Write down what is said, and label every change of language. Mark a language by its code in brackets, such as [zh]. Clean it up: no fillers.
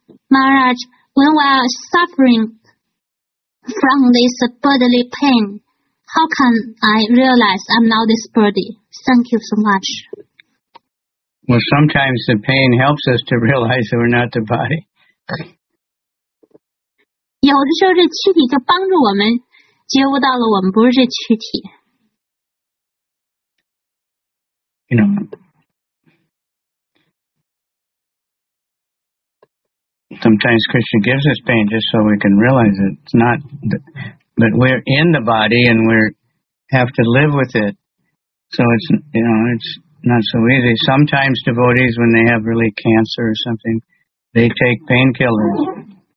[en] Maharaj, when we are suffering from this bodily pain, how can I realize I'm not this body? Thank you so much. Well, sometimes the pain helps us to realize that we're not the body. [zh] 有的时候这躯体就帮助我们觉悟到了我们不是这躯体。 [en] You know,Sometimes Krishna gives us pain just so we can realize it. It's not, but we're in the body and we have to live with it. So it's, you know, it's not so easy. Sometimes devotees, when they have really cancer or something, they take painkillers.